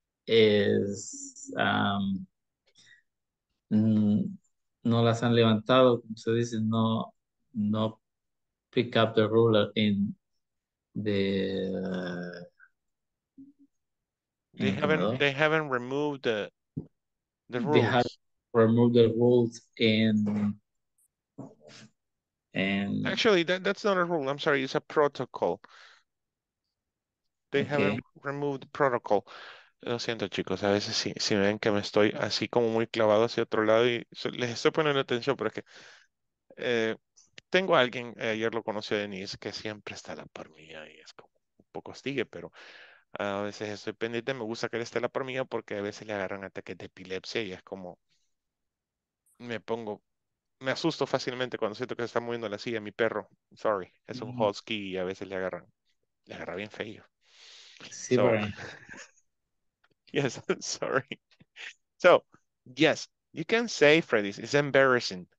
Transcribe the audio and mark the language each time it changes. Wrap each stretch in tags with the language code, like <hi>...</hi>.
<es>is no las han levantado, se dice, no</es> <en>pick up the ruler in the they haven't removed the rules. They have removed the rules and actually that's not a rule, I'm sorry, it's a protocol. They haven't removed the protocol.</en> <es>Lo siento, chicos. A veces si ven que me estoy así como muy clavado hacia otro lado y les estoy poniendo atención, pero es que tengo a alguien, ayer lo conocí a Denise, que siempre está a la par mía y es como un poco hostigue, pero a veces estoy pendiente. Me gusta que él esté a la par mía porque a veces le agarran ataques de epilepsia y es como me asusto fácilmente cuando siento que se está moviendo la silla mi perro. Sorry, es un husky y a veces le agarra bien feo. Sí, so,</es> <en>yes, I'm sorry. So, yes, you can say, Freddy, it's embarrassing.</en>